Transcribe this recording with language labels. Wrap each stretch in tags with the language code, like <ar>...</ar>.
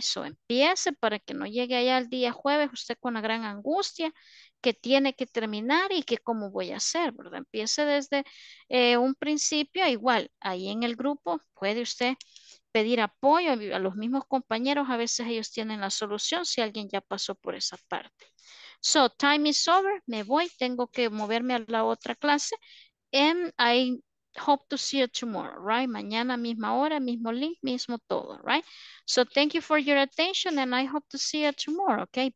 <es>So empiece para que no llegue allá el día jueves usted con la gran angustia que tiene que terminar y que cómo voy a hacer, ¿verdad? Empiece desde un principio. Igual, ahí en el grupo puede usted pedir apoyo a los mismos compañeros. A veces ellos tienen la solución si alguien ya pasó por esa parte.</es> <en>So, time is over.</en> <es>Me voy. Tengo que moverme a la otra clase.</es> <en>And I hope to see you tomorrow, right?</en> <es>Mañana, misma hora, mismo link, mismo todo, right?</es> <en>So, thank you for your attention and I hope to see you tomorrow, okay?</en>